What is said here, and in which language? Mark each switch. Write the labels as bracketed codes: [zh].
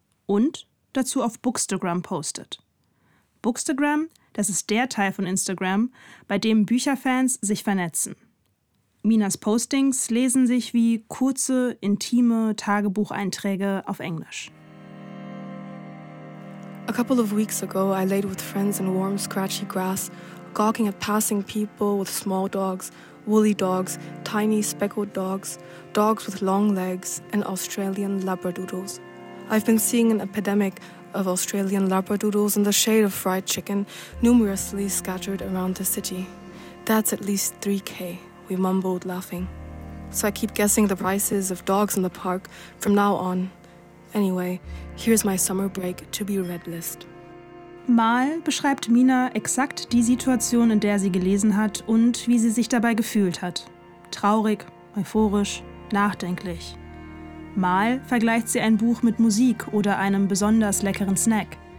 [de] Und dazu auf Bookstagram postet. Bookstagram, das ist der Teil von Instagram, bei dem Bücherfans sich vernetzen. Minas Postings lesen sich wie kurze, intime Tagebucheinträge auf Englisch. [en] A couple of weeks ago, I laid with friends in warm, scratchy grass, gawking at passing people with small dogs, woolly dogs, tiny speckled dogs, dogs with long legs, and Australian labradoodles. I've been seeing an epidemic of Australian labradoodles in the shade of fried chicken, numerously scattered around the city. That's at least 3K, we mumbled, laughing. So I keep guessing the prices of dogs in the park from now on. Anyway, here's my summer break to be red list. [de] Mal beschreibt Mina exakt die Situation, in der sie gelesen hat und wie sie sich dabei gefühlt hat. Traurig, euphorisch, nachdenklich. Mal vergleicht sie ein Buch mit Musik oder einem besonders leckeren Snack.